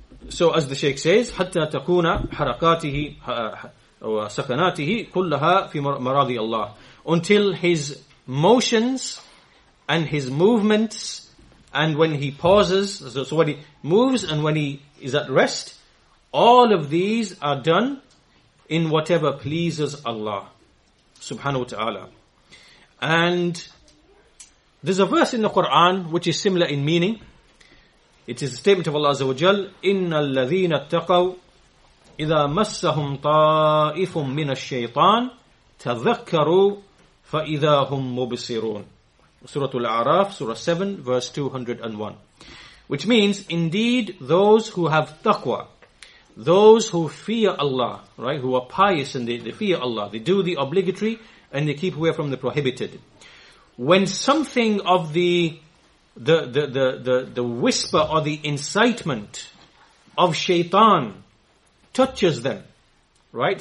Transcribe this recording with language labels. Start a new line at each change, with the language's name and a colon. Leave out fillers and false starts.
English: So as the Shaykh says,
Arabic: حَتَّى تَكُونَ حَرَكَاتِهِ وَسَكَنَاتِهِ كُلَّهَا فِي مَرَاضِي اللَّهِ.
English: Until his motions and his movements and when he pauses, so when he moves and when he is at rest, all of these are done in whatever pleases Allah subhanahu wa ta'ala. And there's a verse in the Quran which is similar in meaning. It is a statement of Allah Azza wa Jal,
Arabic: إِنَّ الَّذِينَ اتَّقَوْا إِذَا مَسَّهُمْ طَائِفٌ مِّنَ الشَّيْطَانِ تَذَكَّرُوا فَإِذَا هُمْ مُبْصِرُونَ.
English: Surah Al-A'raf, Surah 7, verse 201. Which means, indeed, those who have taqwa, those who fear Allah, right, who are pious and they fear Allah, they do the obligatory and they keep away from the prohibited. When something of the whisper or the incitement of shaitan touches them, right?